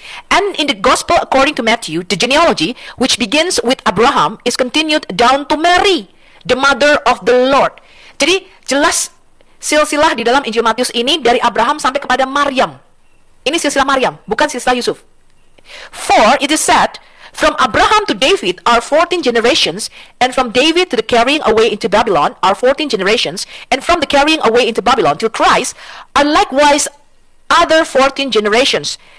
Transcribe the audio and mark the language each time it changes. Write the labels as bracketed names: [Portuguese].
[English] And in the Gospel according to Matthew, the genealogy which begins with Abraham is continued down to Mary, the mother of the Lord. [Indonesian] Jadi, jelas silsilah di dalam Injil Matius ini dari Abraham sampai kepada Maryam. Ini silsilah Maryam, bukan silsilah Yusuf. [English] For it is said, from Abraham to David are 14 generations, and from David to the carrying away into Babylon are 14 generations, and from the carrying away into Babylon to Christ are likewise other 14 generations.